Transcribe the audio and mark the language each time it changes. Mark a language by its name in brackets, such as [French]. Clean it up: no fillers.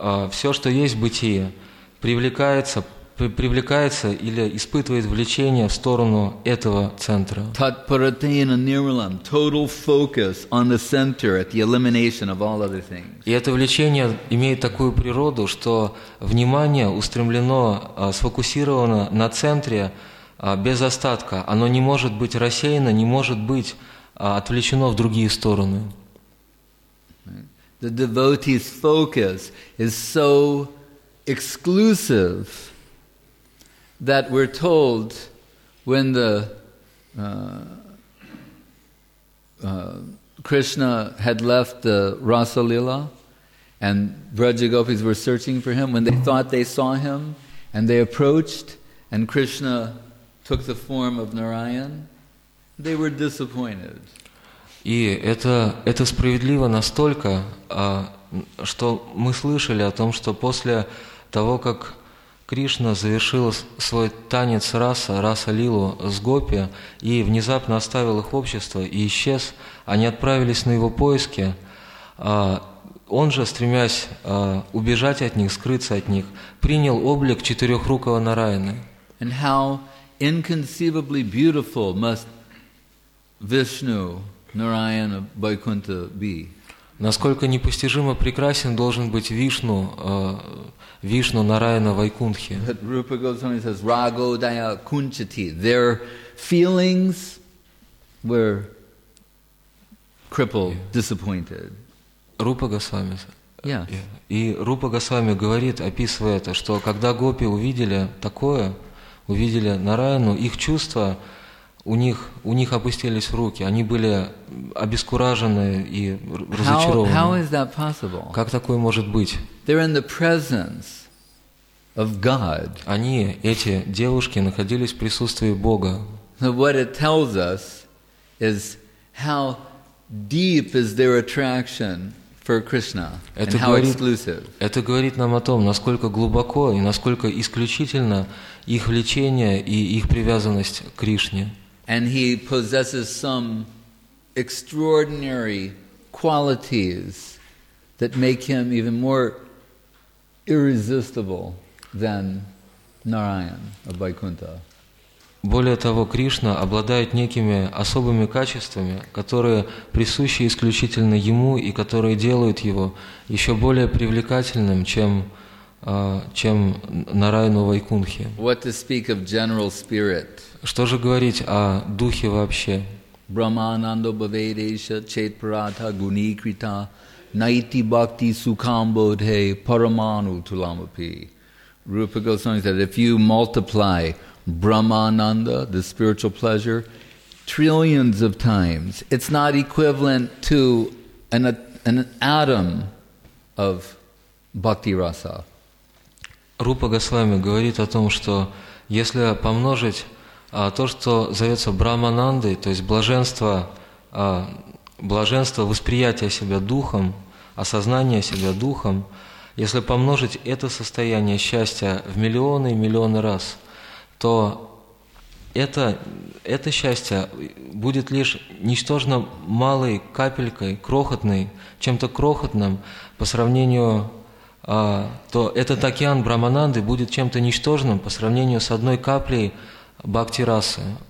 [Russian] Все, что есть в бытии, привлекается или испытывает влечение в сторону этого центра. [Sanskrit] Татпаратейна нирмалам, [English] total focus on the center at the elimination of all other things. [Russian] И это влечение имеет такую природу, что внимание устремлено, сфокусировано на центре без остатка. Оно не может быть рассеяно, не может быть отвлечено в другие стороны. [English] The devotee's focus is so exclusive that we're told when the Krishna had left the Rasa Lila and Vrajagopis were searching for him, when they thought they saw him and they approached and Krishna took the form of Narayan, they were disappointed. [Russian] И это справедливо настолько, что мы слышали о том, что после того, как Кришна завершил свой танец Раса-Лилу с Гопи и внезапно оставил их общество и исчез, они отправились на его поиски. Он же, стремясь убежать от них, скрыться от них, принял облик четырехрукого Нараяны. [English] And how inconceivably beautiful must Vishnu, Narayana, Vaikuntha be. [Russian] Насколько непостижимо прекрасен должен быть Вишну, Вишну Нараяна Вайкунтхи. [English] But Rupa Goswami says, [Sanskrit] Ragodaya Kunchati. [English] Their feelings were crippled, disappointed. Rupa Goswami. Yes. [Russian] И Рупа Госвами говорит, описывая это, что когда гопи увидели такое, увидели Нараяну, их чувства, у них опустились руки, они были обескуражены и разочарованы. [English] How is that possible? [Russian] Как такое может быть? [English] They're in the presence of God. [Russian] Они, эти девушки, находились в присутствии Бога. [English] So what it tells us is how deep is their attraction for Krishna and how exclusive. [Russian] Это говорит нам о том, насколько глубоко и насколько исключительно их влечение и их привязанность к Кришне. [English] And he possesses some extraordinary qualities that make him even more irresistible than Narayan of Vaikuntha. [Russian] Более того, Кришна обладает некими особыми качествами, которые присущи исключительно ему и которые делают его еще более привлекательным, чем Нараяну Вайкунтхи. [English] What to speak of general spirit? [Russian] Что же говорить о духе вообще? [Sanskrit] Брахманандо бхавейдеша чейтпаратха гуникрита найти бхакти сукам бодхе параману туламапи. [English] Rupa Goswami said, if you multiply Brahmananda, the spiritual pleasure, trillions of times, it's not equivalent to an atom of bhakti rasa. [Russian] Rupa Goswami говорит о том, что если помножить то, что зовется Брахманандой, то есть блаженство восприятия себя духом, осознание себя духом, если помножить это состояние счастья в миллионы и миллионы раз, то это счастье будет лишь ничтожно малой капелькой, крохотной, чем-то крохотным по сравнению, то этот океан Брахмананды будет чем-то ничтожным по сравнению с одной каплей бхакти расы.